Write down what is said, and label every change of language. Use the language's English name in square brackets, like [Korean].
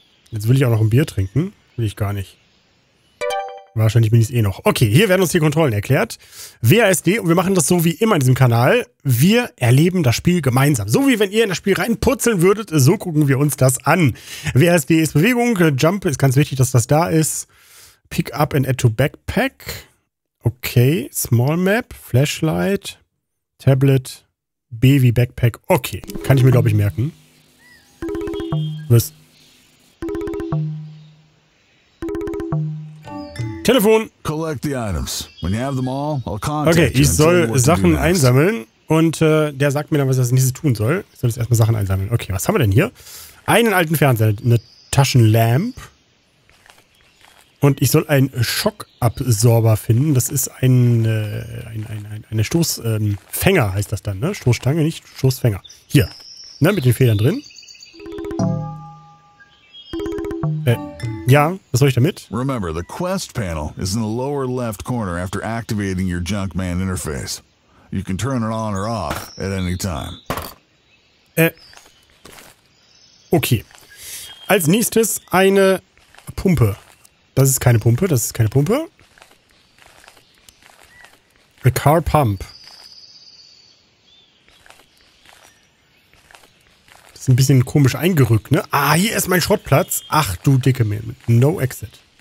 [German] Jetzt will ich auch noch ein Bier trinken. Will ich gar nicht. Wahrscheinlich bin ich es eh noch. Okay, hier werden uns die Kontrollen erklärt. WASD, und wir machen das so wie immer in diesem Kanal. Wir erleben das Spiel gemeinsam. So wie wenn ihr in das Spiel reinputzeln würdet, so gucken wir uns das an. WASD ist Bewegung, Jump ist ganz wichtig, dass das da ist. [English] Pick up and add to backpack. Okay, small map, flashlight, tablet, baby backpack. [German] Okay, kann ich mir glaube ich merken. Was? Telefon. [English] Collect the items. When you have them all, I'll contact you. [German] Okay, ich soll Sachen einsammeln und der sagt mir dann, was ich als nächstes tun soll. Ich soll jetzt erstmal Sachen einsammeln. Okay, was haben wir denn hier? Einen alten Fernseher, eine Taschenlamp. Und ich soll einen Schockabsorber finden. Das ist eine Stoßfänger, heißt das dann, ne? Stoßstange, nicht Stoßfänger. Hier, ne, mit den Federn drin. Ja, was soll ich damit? [English] Remember, the quest panel is in the lower left corner after activating your Junkman interface. You can turn it on or off at any time. Okay. [German] Als nächstes eine Pumpe. Das ist keine Pumpe, das ist keine Pumpe. [English] A car pump. [German] Ist ein bisschen komisch eingerückt, ne? Ah, hier ist mein Schrottplatz. Ach, du dicke Mann. [English] No exit.